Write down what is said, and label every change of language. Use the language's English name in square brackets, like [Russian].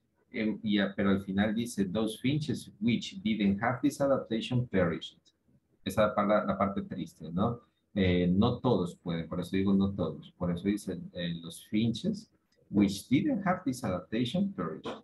[Spanish] Pero al final dice, [English] those finches which didn't have this adaptation perished. [Spanish] Esa es la parte triste, ¿no? No todos pueden, por eso digo no todos. Por eso dice, los [English] finches which didn't have this adaptation perished.